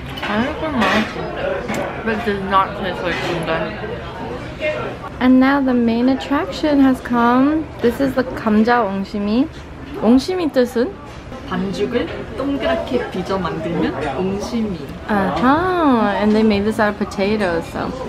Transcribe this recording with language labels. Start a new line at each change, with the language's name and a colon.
English: I like it much, but it does not taste like sundae. And now the main attraction has come. This is the 감자 옹심이.
Korean: 옹심이 뜻은? 반죽을 동그랗게 빚어 만들면 옹심이.
English: And they made this out of potatoes, so.